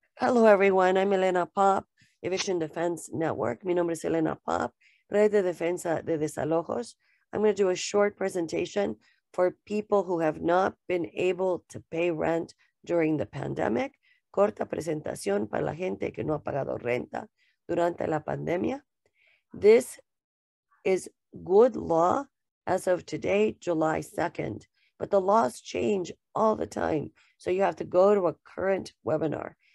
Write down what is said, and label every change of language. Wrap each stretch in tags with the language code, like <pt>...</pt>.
<en>Hello everyone, I'm Elena Pop, Eviction Defense Network.</en> <es>Mi nombre es Elena Pop, Red de Defensa de Desalojos.</es> <en>I'm going to do a short presentation for people who have not been able to pay rent during the pandemic.</en> <es>Corta presentación para la gente que no ha pagado renta durante la pandemia.</es> <en>This is good law as of today, July 2nd, but the laws change all the time, so you have to go to a current webinar.</en>